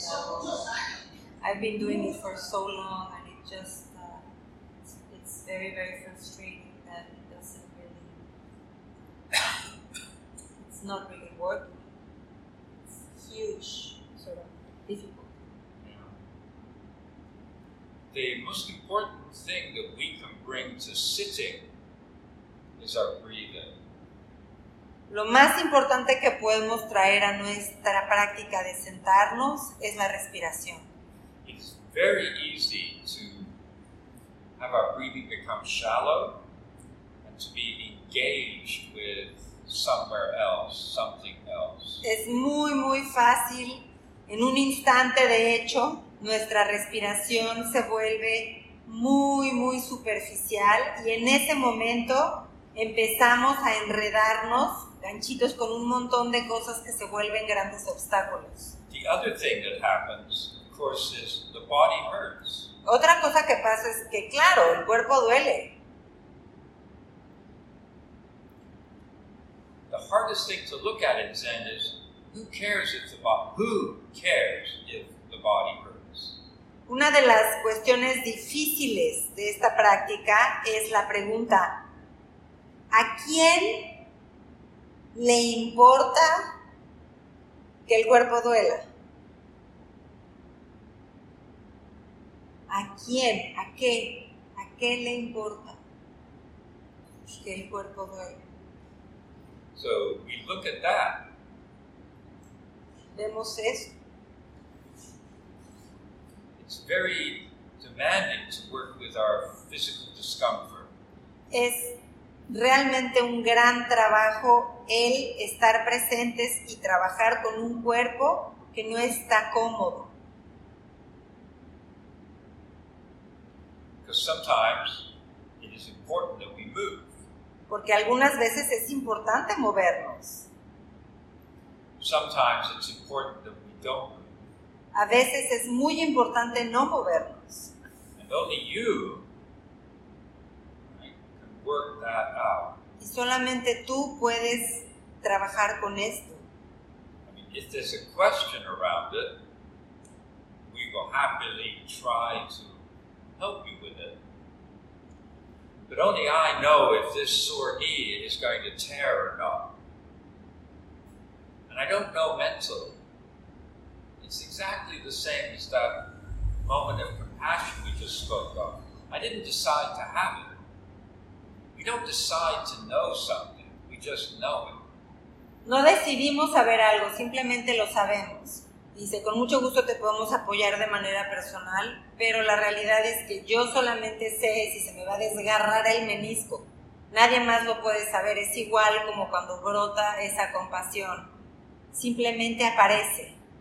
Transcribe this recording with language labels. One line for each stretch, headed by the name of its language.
English: So I've been doing it for so long, and it just it's very, very frustrating that it doesn't really, it's not really working. It's huge, sort of difficult. The most important thing that we can bring to sitting is our breathing.
Spanish: Lo más importante que podemos traer a nuestra práctica de sentarnos es la respiración.
English: It's very easy to have our breathing become shallow and to be engaged with somewhere else, something else.
Spanish: Es muy, muy fácil, en un instante de hecho, nuestra respiración se vuelve muy, muy superficial, y en ese momento empezamos a enredarnos ganchitos con un montón de cosas que se vuelven grandes obstáculos.
English: The other thing that happens, of course, is the body hurts.
Spanish: Otra cosa que pasa es que, claro, el cuerpo duele.
English: The hardest thing to look at in Zen is, who cares if the body hurts?
Spanish: Una de las cuestiones difíciles de esta práctica es la pregunta, ¿a quién le importa que el cuerpo duela? ¿A quién? ¿A qué? ¿A qué le importa que el cuerpo duela?
English: So we look at that.
Spanish: Vemos eso.
English: It's very demanding to work with our physical discomfort.
Spanish: Es realmente un gran trabajo el estar presentes y trabajar con un cuerpo que no está cómodo.
English: Because sometimes it is important that we move.
Spanish: Porque algunas veces es importante movernos.
English: Sometimes it's important that we don't move.
Spanish: A veces es muy importante no movernos.
English: And only you work that out.
Spanish: Y solamente tú puedes trabajar con esto.
English: I mean, if there's a question around it, we will happily try to help you with it. But only I know if this sore knee is going to tear or not. And I don't know mentally. It's exactly the same as that moment of compassion. compassion we just spoke of. I didn't decide to have it. We don't decide to know something, we just know it.
Spanish: No decidimos saber algo, simplemente lo sabemos. Dice, con mucho gusto te podemos apoyar de manera personal, pero la realidad es que yo solamente sé si se me va a desgarrar el menisco. Nadie más lo puede saber, es igual como cuando brota esa compasión. Simplemente aparece.